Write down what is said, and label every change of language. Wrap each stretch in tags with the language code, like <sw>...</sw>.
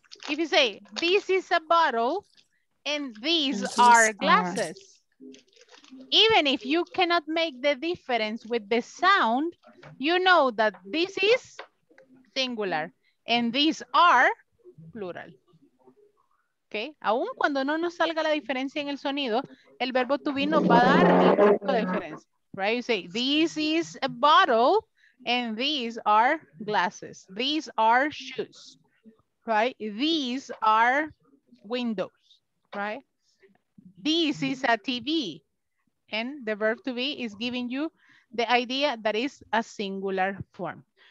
<en>If you say, this is a bottle, and these are glasses. Even if you cannot make the difference with the sound, you know that this is singular and these are plural. Okay?</en> <es>Aun cuando no nos salga la diferencia en el sonido, el verbo to be nos va a dar el punto de diferencia.</es> <en>Right? You say, this is a bottle and these are glasses. These are shoes. Right? These are windows. Right? This is a TV. And the verb to be is giving you the idea that is a singular form.</en>